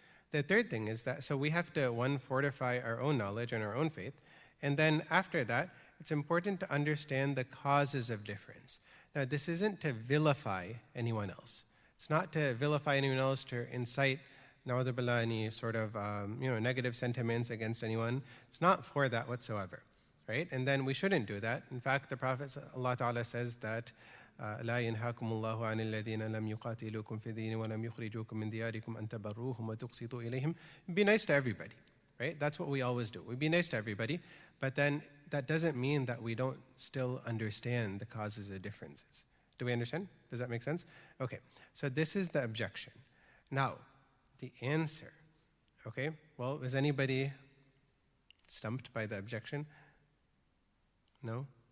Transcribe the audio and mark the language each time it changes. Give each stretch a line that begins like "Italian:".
English: The third thing is that, so we have to, one, fortify our own knowledge and our own faith, and then after that, it's important to understand the causes of difference. Now, this isn't to vilify anyone else. It's not to vilify anyone else, to incite, na'udhu billah, any sort of negative sentiments against anyone. It's not for that whatsoever, right? And then we shouldn't do that. In fact, the Prophet, Allah Ta'ala, says that
Arabic: لا ينهاكم الله عن الذين لم يقاتلوكم في الدين ولم يخرجوكم من دياركم أن تبروهم وتقسطوا إليهم.
English: Be nice to everybody, right? That's what we always do. We be nice to everybody, but then that doesn't mean that we don't still understand the causes of differences. Do we understand? Does that make sense? Okay, so this is the objection. Now, the answer, okay? Well, is anybody stumped by the objection? No?